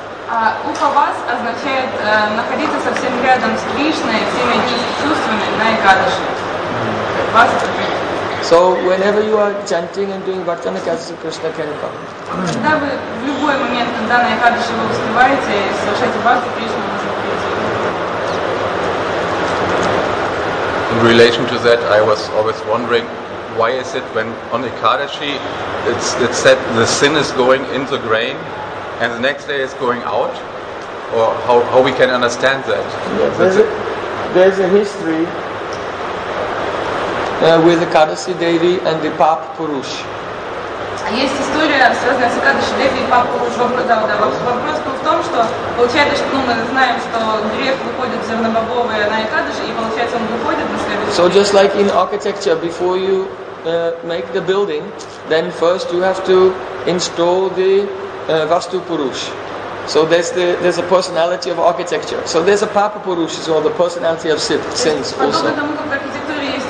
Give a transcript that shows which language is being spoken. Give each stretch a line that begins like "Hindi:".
Russian: Upavas означает находиться совсем рядом с Кришной, всеми чувствами на Ekadasi.
English: So whenever you are chanting and doing bhajana, Ekadashi Krishna can come.
Russian: Когда вы в любой момент, когда на Ekadashi вы успеваете совершать бхакти, Кришна может прийти.
English: In relation to that, I was always wondering, why is it when on Ekadashi it's said the sin is going in the grain, and the next day it's going out, or how we can understand that? Yes, there's a history. With Ekadashi Devi and the Pap Purush.
Russian: Есть история, связанная с Ekadashi Devi и Pap Purush. Вопрос в том, что получается, что мы знаем, что грех выходит зернобобовый на Ekadashi, и получается он выходит на следующий.
English: So just like in architecture, before you make the building, then first you have to install the Vastu Purush. So there's a personality of architecture. So there's a Pap Purush, so the personality of sins also.